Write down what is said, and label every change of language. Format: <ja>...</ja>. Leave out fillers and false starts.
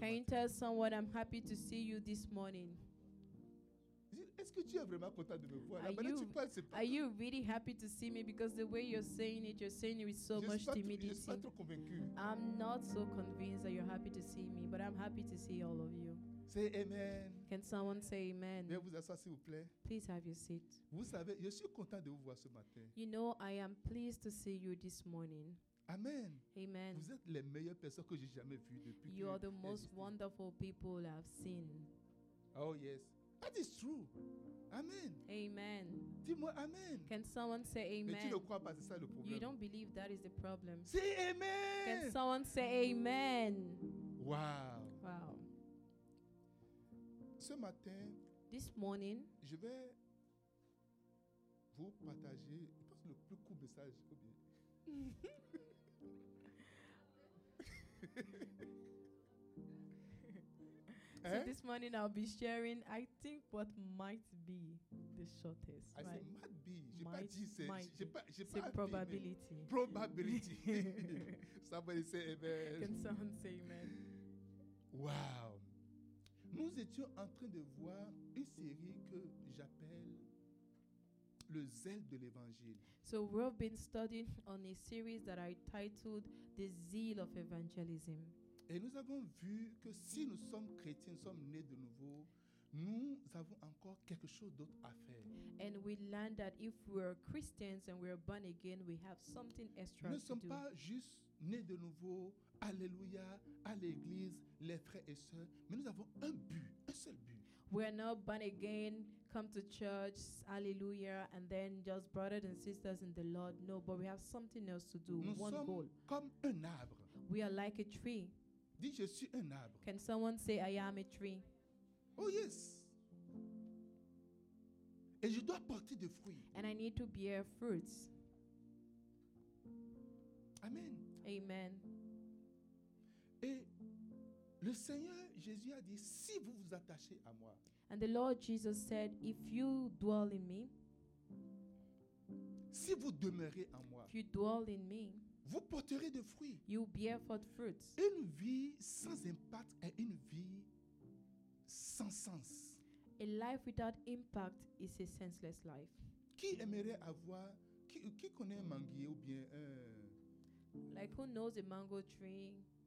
<en>matin. Can you tell someone I'm happy to see you this morning?</en> <fr>Est-ce que tu es vraiment content de me voir?</fr> <en>Are you really happy to see me? Because the way you're saying it with so</en> <fr>je</fr> <en>much timidity.</en> <fr>Je suis pas trop convaincu.</fr> <en>I'm not so convinced that you're happy to see me, but I'm happy to see all of you. Say amen. Can someone say amen?</en> <fr>Veuillez vous asseoir s'il vous plaît.</fr> <en>Please have your seat.</en> <fr>Vous savez, je suis content de vous voir ce matin.</fr> <en>You know, I am pleased to see you this morning. Amen. Amen.</en> <fr>Vous êtes les meilleures personnes que j'ai jamais vues depuis.</fr> <en>You are the most wonderful people I've seen. Oh yes. That is true. Amen. Amen.</en> <fr>Dis-moi amen.</fr> <en>Can someone say amen?</en> <fr>Mais tu ne crois pas, c'est ça le problème.</fr> <en>You don't believe that is the problem. Say amen. Can someone say amen? Wow. Wow.</en> <fr>Ce matin,</fr> <en>this morning,</en> <fr>je vais vous partager, je pense que le plus court message, ou bien. So hein?</fr> <en>This morning I'll be sharing, I think, what might be the shortest. I said might be. J'ai pas dit c'est.</en> <fr>C'est probability.</fr> <en>Probability. Somebody say amen. Can someone say amen? Wow.</en> <fr>Nous étions en train de voir une série que j'appelle le zèle de l'évangile.</fr> <en>So we've been studying on a series that I titled The Zeal of Evangelism.</en> <fr>Et nous avons vu que si nous sommes chrétiens, nous sommes nés de nouveau, nous avons encore quelque chose d'autre à faire.</fr> <en>And we learned that if we are Christians and we are born again, we have something extra to do.</en> <fr>Nous ne sommes pas juste nés de nouveau, alléluia, à l'église, les frères et sœurs, mais nous avons un but, un seul but.</fr> <en>We are not born again, come to church, alléluia, and then just brothers and sisters in the Lord. No, but we have something else to do,</en> <fr>nous</fr> <en>one goal.</en> <fr>Nous sommes comme un arbre.</fr> <en>We are like a tree.</en> <fr>Dis, je suis un arbre.</fr> <en>Can someone say I am a tree? Oh yes.</en> <fr>Et je dois porter des fruits.</fr> <en>And I need to bear fruits. Amen. Amen.</en> <fr>Et le Seigneur Jésus a dit, si vous vous attachez à moi.</fr> <en>And the Lord Jesus said, if you dwell in me.</en> <fr>Si vous demeurez en moi.</fr> <en>If you dwell in me.</en> <fr>Vous porterez de fruits.</fr> <en>You bear forth fruits.</en> <fr>Une vie sans impact est une vie sans sens.</fr> <en>A life without impact is a senseless life.</en> <fr>Qui aimerait avoir, qui connaît un manguier ou bien un.</fr> <en>Like who knows a mango tree?</en>